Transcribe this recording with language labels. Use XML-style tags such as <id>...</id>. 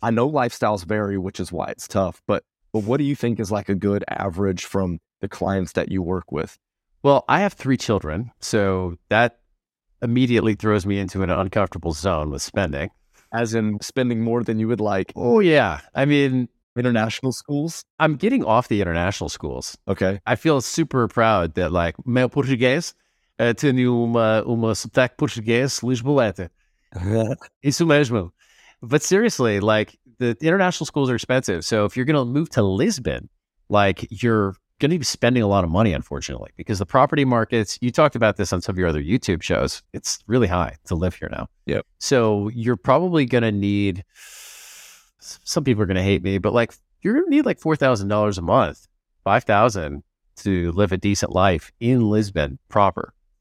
<en>I know lifestyles vary, which is why it's tough. But what do you think is like a good average from the clients that you work with? Well, I have 3 children. So that immediately throws me into an uncomfortable zone with spending. As in spending more than you would like. Oh, yeah. I mean, international schools? I'm getting off the international schools. Okay. I feel super proud that, like,</en> <pt>meu português, tenho uma sotaque português, Lisboeta. Isso mesmo.</pt> <en>But seriously, like, the international schools are expensive. So if you're going to move to Lisbon, like, you're going to be spending a lot of money, unfortunately, because the property markets, you talked about this on some of your other YouTube shows, it's really high to live here now. Yep. So you're probably going to need, some people are going to hate me, but like, you're going to need like $4,000 a month, $5,000 to live a decent life in Lisbon proper.</en>